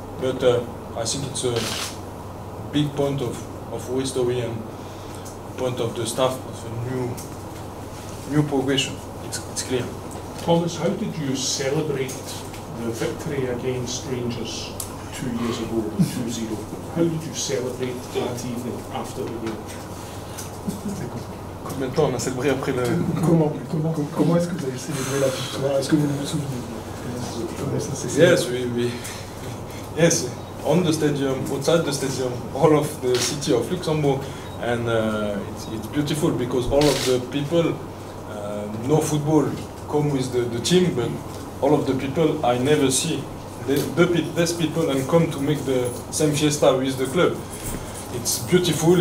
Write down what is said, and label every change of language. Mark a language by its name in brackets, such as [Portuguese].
[English] But I think it's a big point of history and point of the staff of a new progression. It's clear. Thomas, how did you celebrate the victory against Rangers 2 years ago, 2-0? How did you celebrate that evening after the game? [French] Combien de temps on a célébré après le... Comment est-ce que vous avez célébré la victoire? Est-ce que vous vous souvenez? [English] Yes, on the stadium, outside the stadium, all of the city of Luxembourg, and it's beautiful because all of the people know football, come with the team, but all of the people I never see, these people, and come to make the same fiesta with the club. It's beautiful.